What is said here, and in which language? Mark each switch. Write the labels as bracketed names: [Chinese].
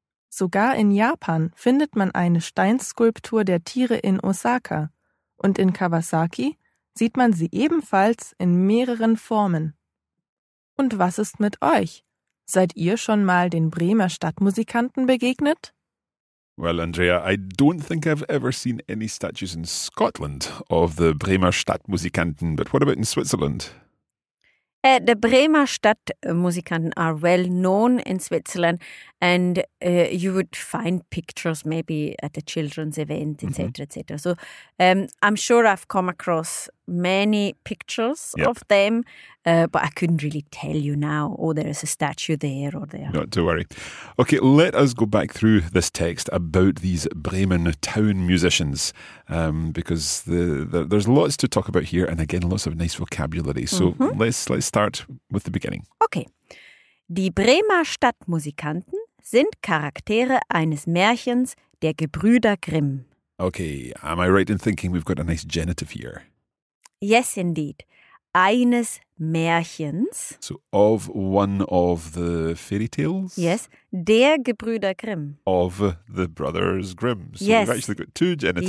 [German] Sogar in Japan findet man eine Steinskulptur der Tiere in Osaka, und in Kawasaki sieht man sie ebenfalls in mehreren Formen. Und was ist mit euch? Seid ihr schon mal den Bremer Stadtmusikanten begegnet? [English] Well, Andrea, I don't think I've ever seen any statues in Scotland of the Bremer Stadtmusikanten, but what about in Switzerland? The Bremer Stadtmusikanten are well known in Switzerland, and you would find pictures maybe at the children's event, etc., mm-hmm. etc. So I'm sure I've come across many pictures yep. of them, but I couldn't really tell you now, oh, there is a statue there or there. Not to worry. Okay, let us go back through this text about these Bremen town musicians, because there's lots to talk about here, and again, lots of nice vocabulary. So mm-hmm. let's start with the beginning. Okay. [German] Die Bremer Stadtmusikanten sind Charaktere eines Märchens der Gebrüder Grimm. [English] Okay, am I right in thinking we've got a nice genitive here? Yes, indeed. Eines Märchens. So, of one of the fairy tales? Yes. Der Gebrüder Grimm. Of the brothers Grimm. So yes. We've actually got two genitives,